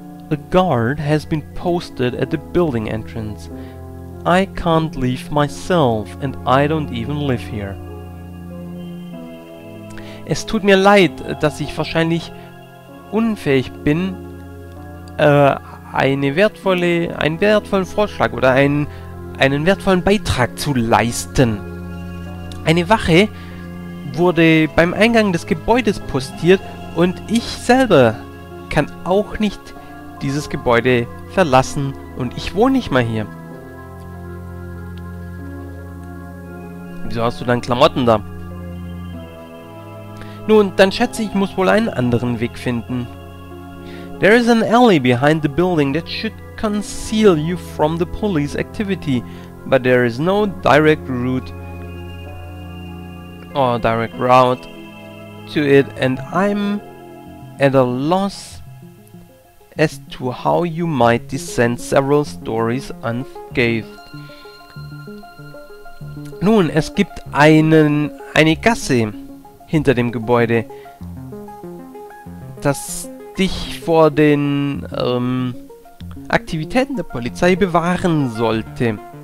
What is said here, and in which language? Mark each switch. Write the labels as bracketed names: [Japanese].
[English] A guard has been posted at the building entrance. I can't leave myself and I don't even live here. [German] Es tut mir leid, dass ich wahrscheinlich unfähig bin, einen wertvollen Vorschlag oder einen wertvollen Beitrag zu leisten. Eine Wache wurde beim Eingang des Gebäudes postiert und ich selber kann auch nicht dieses Gebäude verlassen und ich wohne nicht mal hier. Wieso hast du dann Klamotten da? Nun, dann schätze ich, muss wohl einen anderen Weg finden. [English] There is an alley behind the building that should conceal you from the police activity, but there is no direct route or direct route to it, and I'm at a loss as to how you might descend several stories unscathed. [German] Nun, es gibt eine Gasse hinter dem Gebäude, das dich vor den Aktivitäten der Polizei bewahren sollte.